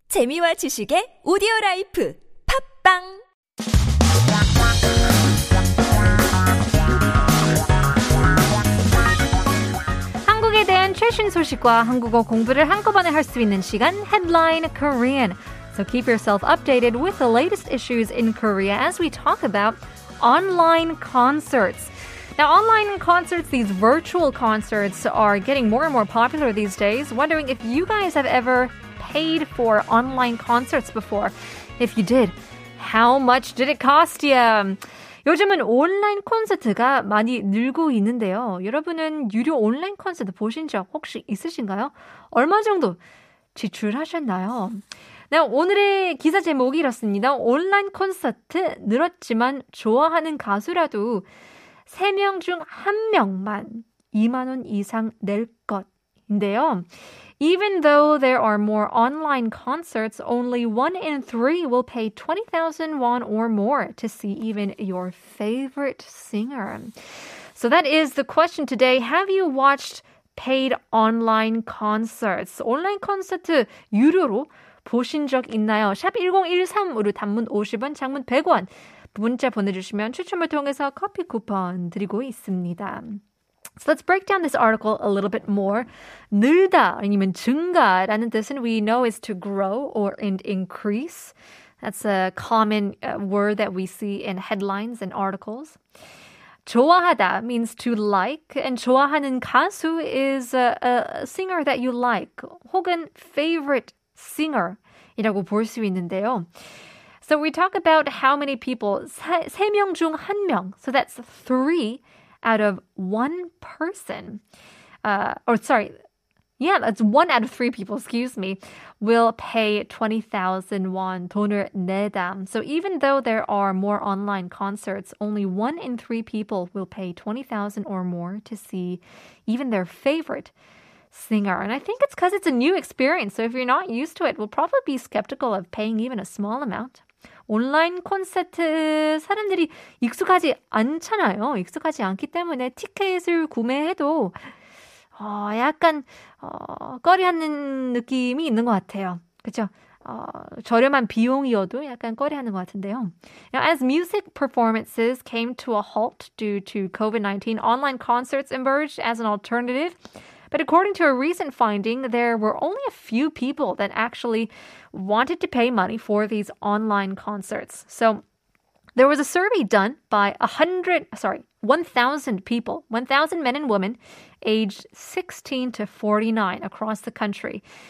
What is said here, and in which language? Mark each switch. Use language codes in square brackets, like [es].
[ko] 재미와 지식의 오디오 라이프. 팟빵! 한국에 대한 최신 소식과 한국어 공부를 한꺼번에 할 수 있는 시간, Headline Korean. [en] So keep yourself updated with the latest issues in Korea as we talk about online concerts. Now, online concerts, these virtual concerts, are getting more and more popular these days. Wondering if you guys have ever paid for online concerts before. If you did, how much did it cost you? [ko] 요즘은 온라인 콘서트가 많이 늘고 있는데요. 여러분은 유료 온라인 콘서트 보신 적 혹시 있으신가요? 얼마 정도 지출하셨나요? Now, 오늘의 기사 제목이 이렇습니다. 온라인 콘서트 늘었지만 좋아하는 가수라도 3명 중 1명만 2만 원 이상 낼 것인데요. [en] Even though there are more online concerts, only 1 in 3 will pay 20,000 won or more to see even your favorite singer. So that is the question today. Have you watched paid online concerts? [ko] 온라인 콘서트 유료로 보신 적 있나요? 샵 1013으로 단문 50원, 장문 100원 문자 보내주시면 추첨을 통해서 커피 쿠폰 드리고 있습니다. [en] So let's break down this article a little bit more. [ko] 늘다 아니면 증가라는 뜻은 [en] we know is to grow or increase. That's a common word that we see in headlines and articles. 좋아하다 means to like. And [ko] 좋아하는 가수 [en] is a singer that you like. [ko] 혹은 [en] favorite singer [ko] 이라고 볼 수 있는데요. [en] So we talk about how many people. [ko] 3명 중 1명. [en] So that's 3 out of 1 person. That's 1 out of 3 people, excuse me, will pay 20,000 won. [ko] 돈을 내다. [en] So even though there are more online concerts, only 1 in 3 people will pay 20,000 or more to see even their favorite singer. And I think it's because it's a new experience. So if you're not used to it, we'll probably be skeptical of paying even a small amount. [ko] 온라인 콘서트 사람들이 익숙하지 않잖아요. 익숙하지 않기 때문에 티켓을 구매해도 꺼려하는 느낌이 있는 것 같아요. 그렇죠? 저렴한 비용이어도 약간 꺼려하는 것 같은데요. [en] Now, as music performances came to a halt due to COVID-19, online concerts emerged as an alternative. But according to a recent finding, there were only a few people that actually wanted to pay money for these online concerts. So there was a survey done by 1,000 people, 1,000 men and women aged 16 to 49 across the country.